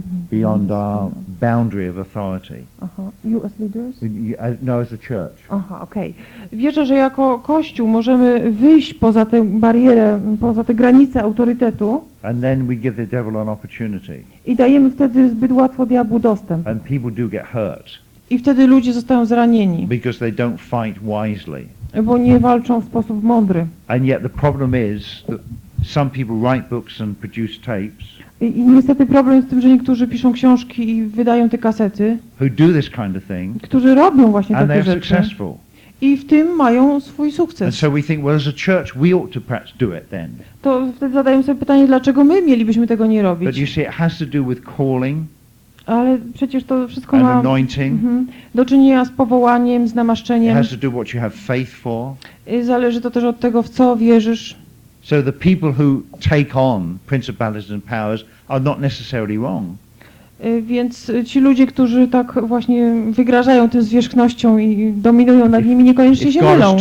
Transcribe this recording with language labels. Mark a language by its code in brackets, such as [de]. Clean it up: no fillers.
[en] beyond our boundary of authority. Aha, you as leaders? No, as a church. Aha, okay. [pl] Wierzę, że jako kościół możemy wyjść poza tę barierę, poza te granice autorytetu. [en] And then we give the devil an opportunity. [pl] I dajemy wtedy zbyt łatwo diabłu dostęp. [en] And people do get hurt. [pl] I wtedy ludzie zostają zranieni. [en] Because they don't fight wisely. [pl] Bo nie walczą w sposób mądry. [en] And yet the problem is that some people write books and produce tapes. [pl] I niestety problem jest w tym, że niektórzy piszą książki i wydają te kasety. [en] Who do this kind of thing? [pl] Którzy robią właśnie takie rzeczy. [en] And they're successful. [pl] I w tym mają swój sukces. [en] And so we think, well, as a church, we ought to perhaps do it then. [pl] To wtedy zadajemy sobie pytanie, dlaczego my mielibyśmy tego nie robić? [en] But you see, it has to do with calling. [pl] Ale przecież to wszystko ma do czynienia z powołaniem, z namaszczeniem. [en] It has to do what you have faith for. [pl] Zależy to też od tego, w co wierzysz. [en] So the people who take on principalities and powers are not necessarily wrong. [pl] Więc ci ludzie, którzy tak właśnie wygrażają tym zwierzchnością i dominują nad nimi, niekoniecznie się mylą.